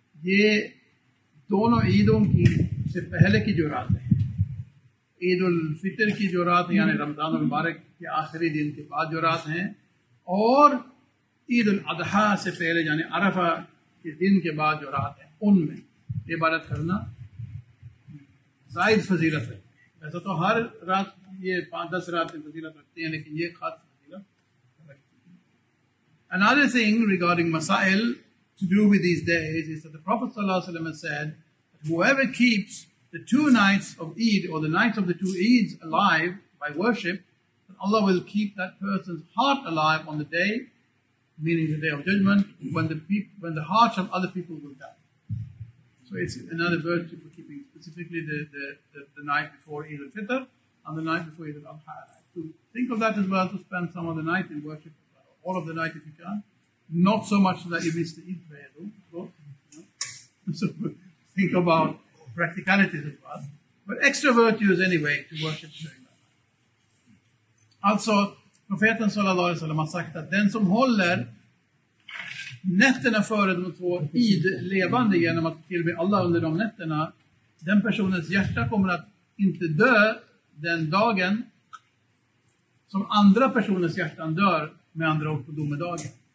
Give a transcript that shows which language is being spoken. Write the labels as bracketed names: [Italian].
[Hindi] ये दोनों ईदों की से पहले की जो रात है, ईद उल फितर की जो रात यानी रमजान मुबारक के आखिरी दिन के बाद जो रात है, और ईद उल अदहा से पहले यानी अरफा के दिन के बाद जो रात है, उनमें इबादत करना जायद फजीलत है। वैसे तो हर रात ये 5-10 रात फजीलत रखती है, लेकिन ये खास फजीलत रखती है। [English] Another thing regarding masail to do with these days is that the Prophet sallallahu alaihi wasallam said that whoever keeps the 2 nights of Eid or the nights of the 2 Eids alive by worship, Allah will keep that person's heart alive on the day, meaning the day of judgment, when the hearts of other people will die. So it's another virtue for keeping specifically the night before Eid al-Fitr and the night before Eid al-Adha. So think of that as well, to spend some of the night in worship, all of the night if you can. Not so much that you miss the Eid prayer, though. So think about practicalities as well. But extra virtues anyway to worship during. [Swedish] Alltså, profeten sallallahu alaihi wasallam har sagt att den som håller nätterna före de 2 id levande genom att tillbe Allah under de nätterna, den personens hjärta kommer att inte dö den dagen som andra personens hjärtan dör, med andra ord på domedagen.